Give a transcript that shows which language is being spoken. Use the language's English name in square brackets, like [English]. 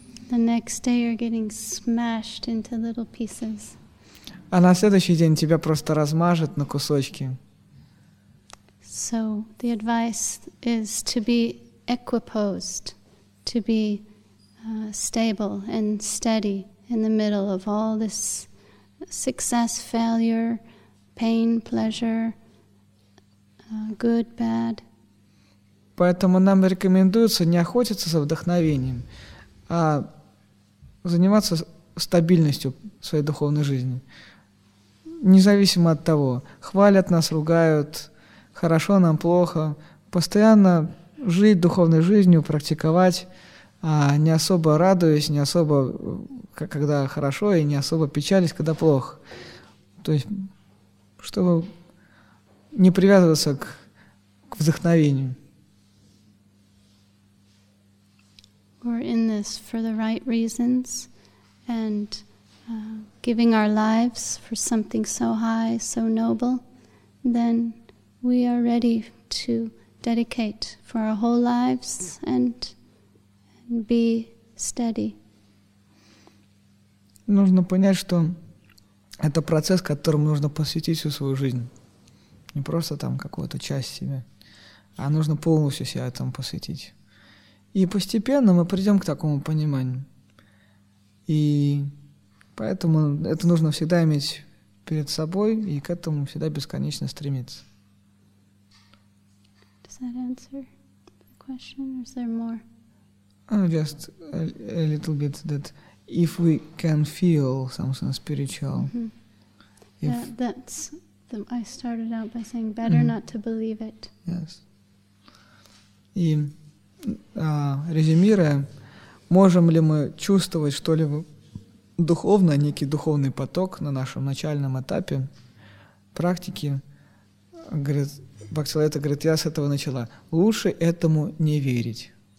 [English] The next day you're getting smashed into little pieces. [Russian] А на следующий день тебя просто размажет на кусочки. [English] So the advice is to be equipoised, to be stable and steady in the middle of all this success, failure, pain, pleasure, good, bad. [Russian] Поэтому нам рекомендуется не охотиться за вдохновением, а заниматься стабильностью своей духовной жизни. Независимо от того, хвалят нас, ругают, хорошо нам, плохо. Постоянно жить духовной жизнью, практиковать, не особо радуясь, не особо, когда хорошо, и не особо печались, когда плохо. То есть, чтобы не привязываться к вдохновению. [English] We're in this for the right reasons, and giving our lives for something so high, so noble, then we are ready to dedicate for our whole lives and be steady. [Russian] Нужно понять, что это процесс, которому нужно посвятить всю свою жизнь. Не просто там какую-то часть себя, а нужно полностью себя этому посвятить. И постепенно мы придем к такому пониманию. И поэтому это нужно всегда иметь перед собой и к этому всегда бесконечно стремиться. [English] Does that answer the question, or is there more? Oh, just a little bit that if we can feel something spiritual. Mm-hmm. Yeah, that's the, I started out by saying better mm-hmm. not to believe it. Yes. [Russian] И резюмируя, можем ли мы чувствовать что-либо духовное, некий духовный поток на нашем начальном этапе практики? Говорит, Бхактивиданта говорит, я с этого начала. Лучше этому не верить.